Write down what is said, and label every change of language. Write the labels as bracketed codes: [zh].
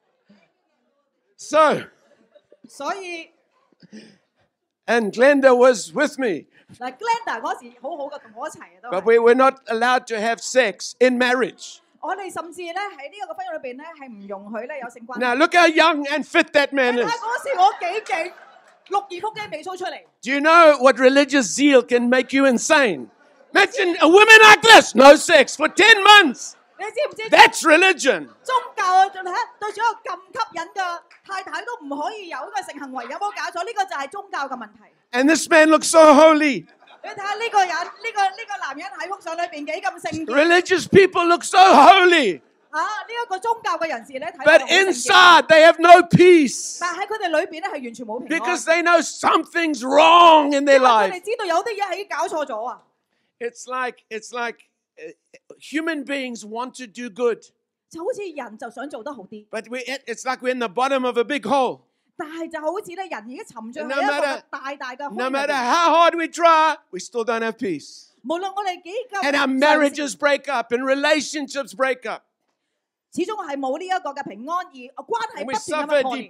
[en] right? So, and Glenda was with me. Glenda, that time, was very good with me. But we were not allowed to have sex in marriage. [yue] 我哋甚至咧喺呢一个婚姻里边咧系唔容许咧有性关系。 [en] Now look how young and fit that man is！ [yue] 你睇嗰时我几劲，六二腹肌未粗出嚟。 [en] Do you know what religious zeal can make you insane？ Imagine a woman like this, no sex for 10 months！ [yue] 你知唔知 [en] ？That's religion！ [yue] 宗教仲吓对住一个咁吸引嘅太太都唔可以有嘅性行为，有冇搞错？呢个就系宗教嘅问题。 [en] And this man looks so holy。 [yue] 你睇下呢个人，呢个男人喺幅相里边几咁圣洁。 [en] Religious people look so holy。 [yue] 啊，呢一个宗教嘅人士咧，睇。 [en] But inside they have no peace。 [yue] 但喺佢哋里边咧，系完全冇平安。 [en] Because they know something's wrong in their life。 [yue] 佢哋知道有啲嘢系搞错咗啊。 [en] It's like human beings want to do good。 But it's like we're in the bottom of a big hole. [yue] 但就好似咧，人已經沉著喺一個大大嘅空裏面。 [en] No matter how hard we try, we still don't have peace. [yue] 無論我哋幾夠， [en] and our marriages break up, and relationships break up. [yue] 始終係冇呢一個嘅平安，而關係不斷嘅破裂。